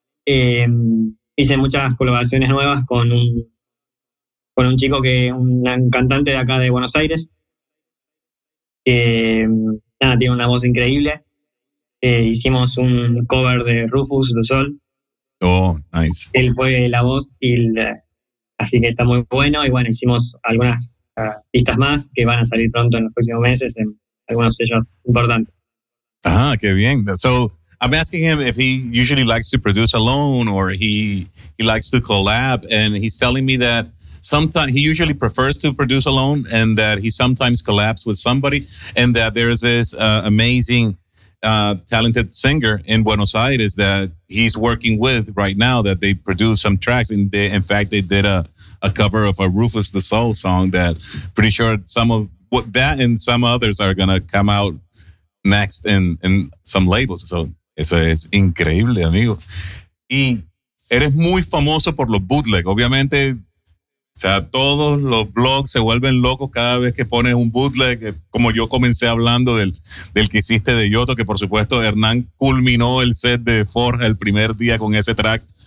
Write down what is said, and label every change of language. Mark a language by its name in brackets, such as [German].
[Spanish] Hice muchas colaboraciones nuevas con un chico que es un cantante de acá de Buenos Aires, que tiene una voz increíble. Hicimos un cover de Rufus Du Sol. [English] Oh, nice. [Spanish] Él fue la voz y así que está muy bueno. Y bueno, hicimos algunas pistas más que van a salir pronto en los próximos meses en algunos sellos importantes. Ah, qué bien. [English] So I'm asking him if he usually likes to produce alone or he likes to collab, and he's telling me that sometimes he usually prefers to produce alone and that he sometimes collabs with somebody, and that there is this amazing talented singer in Buenos Aires that he's working with right now, that they produced some tracks, and they, in fact, they did a cover of a Rufus the Soul song that pretty sure some of what that and some others are gonna come out next in some labels. [Spanish] So eso es increíble, amigo. Y eres muy famoso por los bootleg, obviamente. O sea, todos los blogs se vuelven locos cada vez que pones un bootleg, como yo comencé hablando del que hiciste de Yoto, que por supuesto Hernán culminó el set de Forja el primer día con ese track.